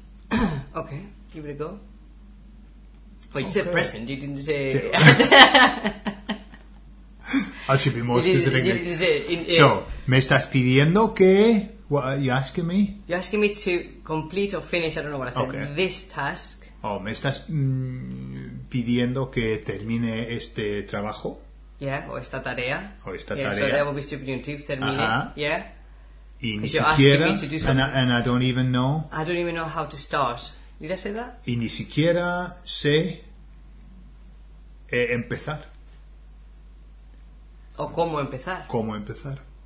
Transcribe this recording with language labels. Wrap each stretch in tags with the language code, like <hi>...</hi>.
<en>Okay, give it a go. Well, you said present, you didn't say... I should be more specific. So,</en> <es>me estás pidiendo que... What are you asking me?</es> <en>You're asking me to complete or finish, I don't know what I said, this task.</en> <es>Oh, me estás pidiendo que termine este trabajo. Yeah, o esta tarea. O esta tarea.</es> <en>So that would be stupid if termine. Yeah. Y ni siquiera, and I don't even know. I don't even know how to start. Did I say that?</en> <es>Y ni siquiera sé empezar. O cómo empezar. Cómo empezar.</es>